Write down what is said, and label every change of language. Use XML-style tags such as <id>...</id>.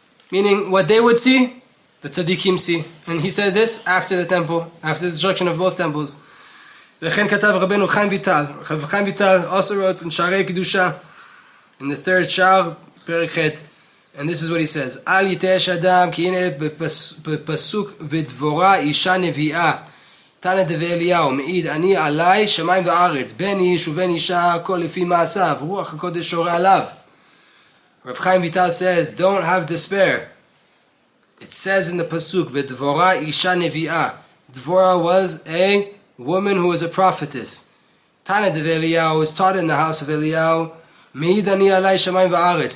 <en>Meaning, what they would see, the tzaddikim see. And he said this after the temple, after the destruction of both temples.</en> <he>וכן כתב רבנו חיים ויטל.</he> <en>רב חיים ויטל also wrote in שערי קדושה in the third שער, פרק ח', and this is what he says.</en> <he>אל יתאש אדם, כי הנה בפסוק ודבורה אישה נביאה. תנא דבי אליהו, מעיד, אני עליי שמיים וארץ, בן איש ובן אישה, הכל לפי מעשיו, רוח הקודש שורה עליו.</he> <en>רב חיים ויטל says, don't have despair. It says in the פסוק,</en> <he>ודבורה אישה נביאה.</he> <en>דבורה was a woman who is a prophetess. Tana de Eliyahu is taught in the house of Eliyahu.</en> <he>Meid ani alai shamayim va'aretz.</he>